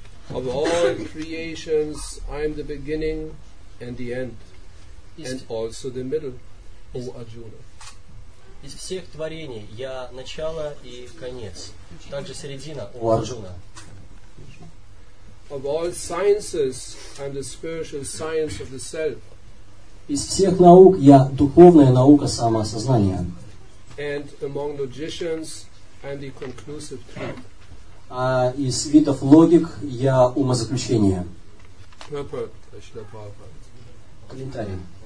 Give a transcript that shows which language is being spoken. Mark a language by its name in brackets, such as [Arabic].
[English] Of all creations, I am the beginning and the end, and also the middle, O Arjuna. [Russian] Из всех творений я начало и конец, также середина, у Арджуна. [English] Of all sciences, I'm the spiritual science of the self. [Russian] Из всех наук я духовная наука самосознания. [English] And among logicians, I'm the conclusive truth. [Russian] А из видов логик я умозаключение. Комментарий.